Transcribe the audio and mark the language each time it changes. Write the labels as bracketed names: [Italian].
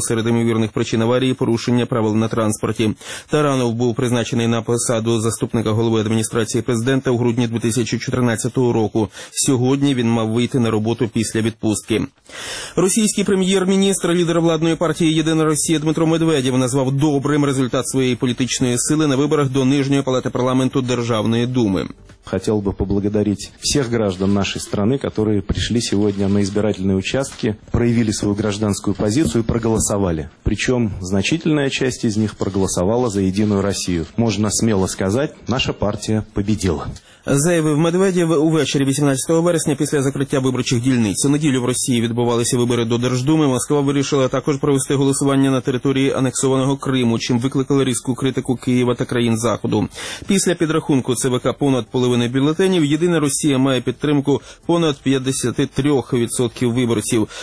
[Ukrainian] Серед ймовірних причин аварії – порушення правил на транспорті. Таранов був призначений на посаду заступника голови адміністрації президента у грудні 2014 року. Сьогодні він мав вийти на роботу після відпустки. Російський прем'єр-міністр, лідер владної партії «Єдина Росія» Дмитро Медведєв назвав добрим результат своєї політичної сили на виборах до Нижньої палати парламенту Державної Думи. [Russian] Хотел бы поблагодарить всех граждан нашей страны, которые пришли сегодня на избирательные участки, проявили свою гражданскую позицию и проголосовали. Причем значительная часть из них проголосовала за Единую Россию. Можно смело сказать, наша партия победила. [Ukrainian] Заявив Медведєв увечері 18 вересня після закриття виборчих дільниць. У неділю в Росії відбувалися вибори до Держдуми. Москва вирішила також провести голосування на території анексованого Криму, чим викликала різку критику Києва та країн Заходу. Після підрахунку ЦВК понад половини бюлетенів, Єдина Росія має підтримку понад 53% виборців.